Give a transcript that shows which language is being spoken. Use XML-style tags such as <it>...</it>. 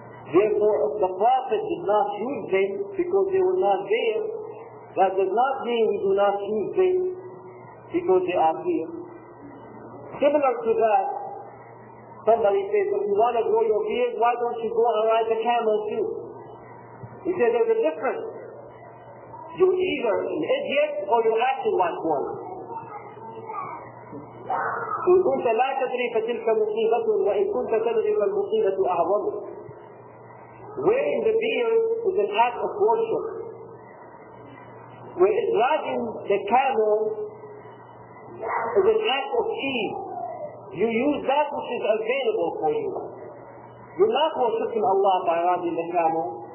<en>Therefore, if the Prophet did not use them because they were not there, that does not mean we do not use them because they are here. Similar to that, somebody says, if you want to grow your beard, why don't you go and ride the camel too? He said, there's a difference. You're either an idiot or you're acting like one.</en> <ar>إن كنت لا تدري فتلك مصيبة وإن كنت تدري فالمصيبة أعظم.</ar> <en>Wearing the beard is an act of worship. Whereas riding the camel is an act of ease. You use that which is available for you. You're not worshiping Allah by riding the camel.</en>